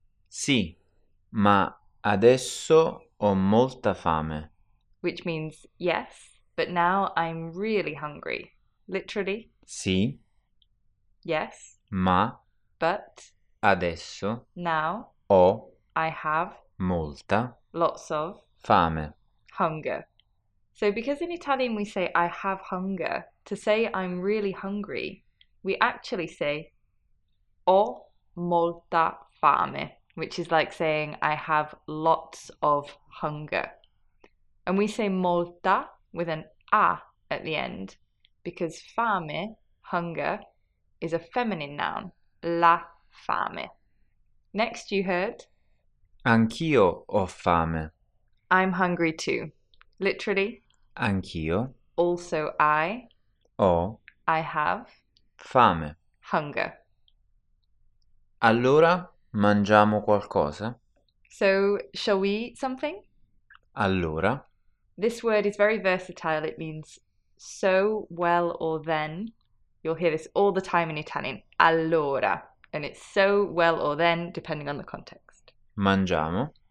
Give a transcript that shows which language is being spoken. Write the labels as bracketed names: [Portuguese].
[Italian] Sì, ma adesso ho molta fame. [English] Which means yes, but now I'm really hungry. Literally? [Italian] Sì. [English] Yes. [Italian] Ma. [English] But. [Italian] Adesso. [English] Now. [Italian] Ho. [English] I have. [Italian] Molta. [English] Lots of. [Italian] Fame. [English] Hunger. So because in Italian we say I have hunger, to say I'm really hungry, we actually say [Italian] ho molta fame, [English] which is like saying I have lots of hunger. And we say [Italian] molta [English] with an a at the end because fame, hunger, is a feminine noun, [Italian] la fame. [English] Next you heard? [Italian] Anch'io ho fame. [English] I'm hungry too. Literally? [Italian] Anch'io. [English] Also I. [Italian] Ho. [English] I have. [Italian] Fame. [English] Hunger. [Italian] Allora mangiamo qualcosa? [English] So, shall we eat something? [Italian] Allora. [English] This word is very versatile. It means so, well, or then. You'll hear this all the time in Italian. [Italian] Allora. [English] And it's so, well, or then, depending on the context. [Italian] Mangiamo.